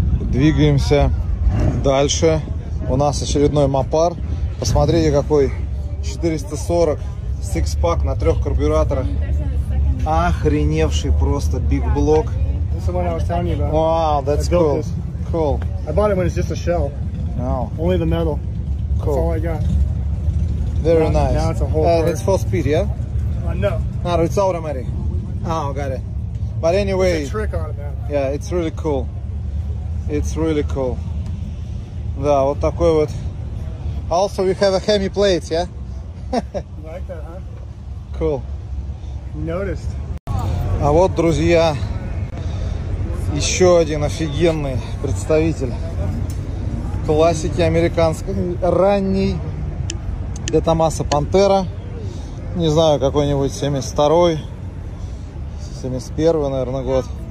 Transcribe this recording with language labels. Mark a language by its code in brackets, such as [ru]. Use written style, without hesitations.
[ru] Двигаемся дальше. У нас очередной Мопар. Посмотрите, какой 440 сикс-пак на трех карбюраторах. Охреневший просто биг блок. [en] Wow, that's cool. Cool. I bought it when it's just a shell. Wow. Only the metal. Cool. That's all I got. Very now, nice. Now it's a whole part. It's full speed, yeah? No. No, it's automatic. Oh, got it. But anyway. It's a trick automatic. Yeah, it's really cool. It's really cool. [ru] Да, вот такой вот. [en] Also, we have a Hemi plate, yeah? You like that, huh? Cool. Noticed. [ru] А вот, друзья, еще один офигенный представитель классики американской, ранней, для Томаса Пантера. Не знаю, какой-нибудь 72-й, 71-й, наверное, год.